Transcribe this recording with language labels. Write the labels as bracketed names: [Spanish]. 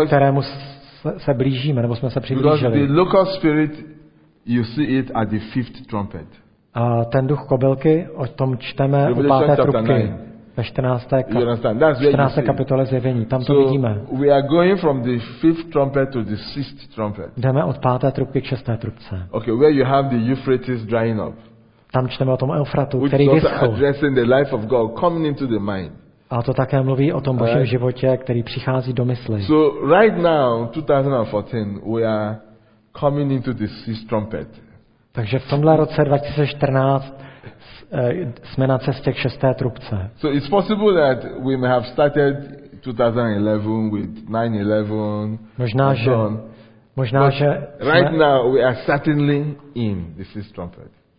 [Czech] ke kterému se blížíme, nebo jsme se přiblížili. [English] Because the locust spirit, you see it at the fifth trumpet. [Czech] A ten duch kobylky, o tom čteme u páté trubky. Ve 14. kapitole zjevení, tam to vidíme. [English] We are going from the fifth trumpet to the sixth trumpet. [Czech] Jdeme od páté trubky k šesté trubce. [English] Okay, where you have the Euphrates drying up. [Czech] Tam čteme o tom Eufratu, [English] which [Czech] který vyschl. [English] Addressing the life of God coming into the mind. [Czech] A to také mluví o tom Božím životě, který přichází do mysli. [English] So right now, 2014, we are coming into the sixth trumpet. [Czech] Takže v tomhle roce 2014 jsme na cestě k šesté trubce. [English] So it's possible that we may have started 2011 with 9/11. [Czech] Možná, že [English] right now we are certainly in the sixth trumpet.